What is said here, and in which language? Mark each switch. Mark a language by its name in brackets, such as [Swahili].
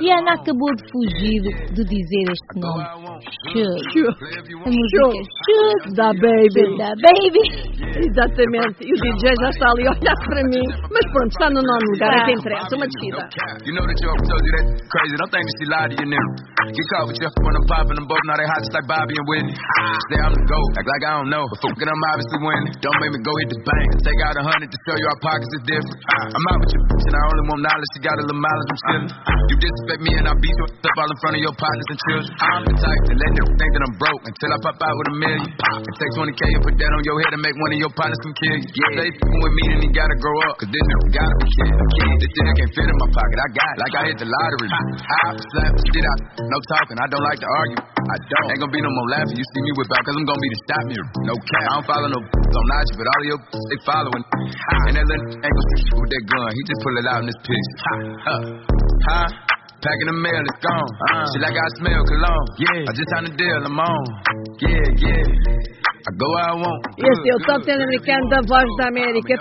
[Portuguese] E a Ana acabou de fugir de dizer este nome. Shoo. A música é Shoo. Da Baby. Da Baby. Exatamente. E o DJ já está ali a olhar para mim. Mas pronto, está no nono lugar. É que interessa. Uma descida. [English] Get caught with Jeff when I'm popping them both. Now they hot just like Bobby and Whitney. Say I'm the GOAT, act like I don't know. But fuck it, I'm obviously winning. Don't make me go hit the bank. Take out 100 to show you our pockets is different. I'm out with your bitch and I only want knowledge. She got a little mileage, I'm stealing. You disrespect me and I beat your up all in front of your partners and children. I'm the type to let them think that I'm broke until I pop out with a million. And take 20K and put that on your head and make one of your partners come kill you. Yeah. They fucking with me then he gotta grow up. Cause this nigga gotta be kidding. This shit can't fit in my pocket. I got it. Like I hit the lottery. I slap the shit out. No talking, I don't like to argue. I don't. Ain't gonna be no more laughing. You see me whip out, cause I'm gonna be the stop mirror. No cap. I don't follow no b****s on IG, but all of your b****s, they following. Ha. And that little ain't gonna shoot with that gun. He just pull it out in his piss. Ha. Ha. Ha. Packing the mail, it's gone. She like I smell cologne. Yeah. I just signed a deal, I'm on. Yeah, yeah. [Portuguese] Este é o Top 10 americano da Voz da América.